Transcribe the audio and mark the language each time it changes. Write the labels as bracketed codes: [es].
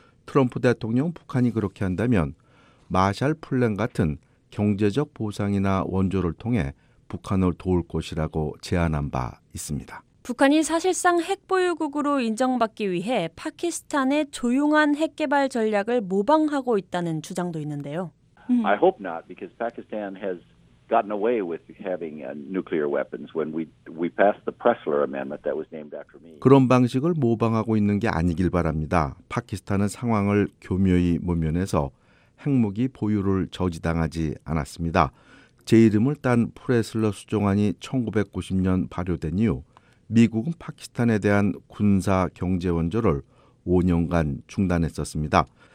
[ko] 트럼프 대통령 북한이 그렇게 한다면 마샬 플랜 같은 경제적 보상이나 원조를 통해 북한을 도울 것이라고 제안한 바 있습니다. 북한이 사실상 핵 보유국으로 인정받기 위해 파키스탄의 조용한 핵 개발 전략을 모방하고 있다는 주장도 있는데요. [en] I hope not because Pakistan has gotten away with having nuclear weapons when we passed the Pressler amendment that was named after me. [ko] 그런 방식을 모방하고 있는 게 아니길 바랍니다. 파키스탄은 상황을 교묘히 모면해서 핵무기 보유를 저지당하지 않았습니다. 제 이름을 딴 프레슬러 수정안이 1990년 발효된 이후 미국은 파키스탄에 대한 군사 경제 원조를 5년간 중단했었습니다.